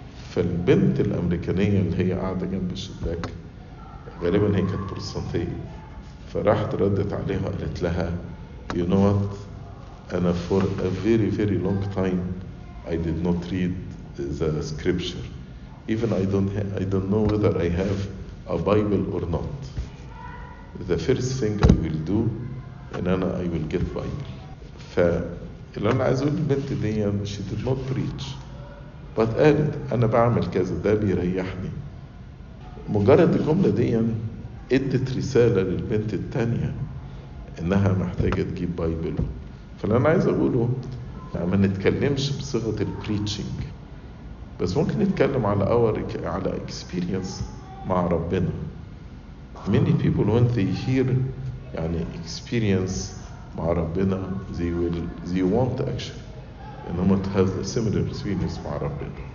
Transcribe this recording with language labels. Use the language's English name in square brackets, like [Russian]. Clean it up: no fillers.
[Arabic] فالبنت الأمريكانية اللي هي قاعدة جنب الشباك غالبا هي كانت بروتستانتية, فراحت ردت عليها وقالت لها [English] you know what, [Arabic] أنا [English] for a very very long time I did not read the scripture. Even I don't know whether I have a Bible or not. The first thing I will do is I will get Bible. [Arabic] فاللي أنا عايز أقول البنت دي, [English] she did not preach, but [Arabic] قالت أنا بعمل كذا, ده بيريحني. مجرد الجملة دي ادت رسالة للبنت التانية إنها محتاجة تجيب Bible. فاللي أنا عايز أقوله ما نتكلمش بصفة البريتشنج, بس ممكن نتكلم على على اكسبيرينس مع ربنا. [English] Many people when they hear [Arabic] يعني اكسبيرينس مع ربنا [English] they want action, and they have a similar experience [Arabic] مع ربنا.